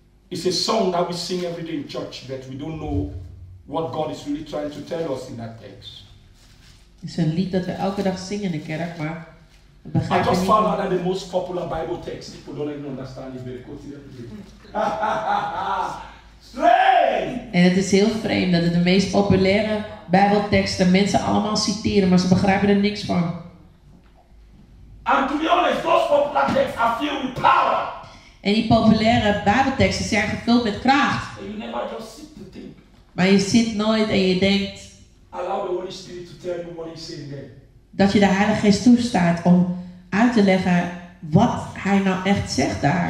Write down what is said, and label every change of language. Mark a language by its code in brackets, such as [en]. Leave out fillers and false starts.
[en] It's a song that we sing every day in church, but we don't know what God is really trying to tell us in that text. It's a [nl] lied [en] that [nl] we elke dag zingen in de kerk, maar we begrijpen. [en] I just found out that the most popular Bible text, people don't even understand it very quickly. Strange! [nl] En het is heel vreemd dat het de meest populaire Bijbelteksten mensen allemaal citeren, maar ze begrijpen er niks van. [en] And to be honest, those popular texts are filled with power. [nl] En die populaire Bijbelteksten zijn gevuld met kracht. [en] And you never just sit to think. [nl] Maar je zit nooit en je denkt. [en] Allow the Holy Spirit to tell you what he's saying there. [nl] Dat je de Heilige Geest toestaat om uit te leggen wat hij nou echt zegt daar.